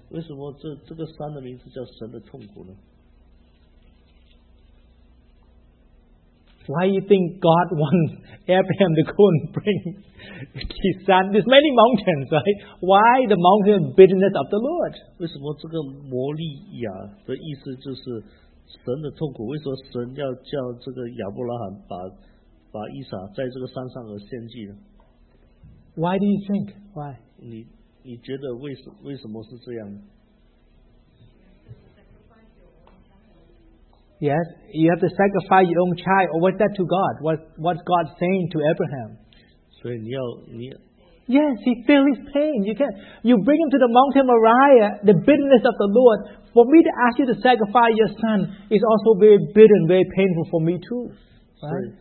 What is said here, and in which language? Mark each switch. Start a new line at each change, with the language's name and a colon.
Chinese: 为什么这个山的名字叫神的痛苦呢?
English: Why do you think God wants Abraham to go and bring his son? There's many mountains, right? Why the mountain of bitterness of the Lord?
Chinese: 为什么这个摩利亚的意思就是神的痛苦? 为什么神要叫这个亚伯拉罕把以撒在这个山上而献祭呢?
English: Why do you think? Why?
Chinese: 你觉得为什么是这样的?
English: Yes, you have to sacrifice your own child. Or what's that to God? What's God saying to Abraham?
Chinese: 所以你要,
English: yes, he feels his pain. You can you bring him to the Mount Moriah, the bitterness of the Lord. For me to ask you to sacrifice your son is also very bitter and very painful for me too. Right?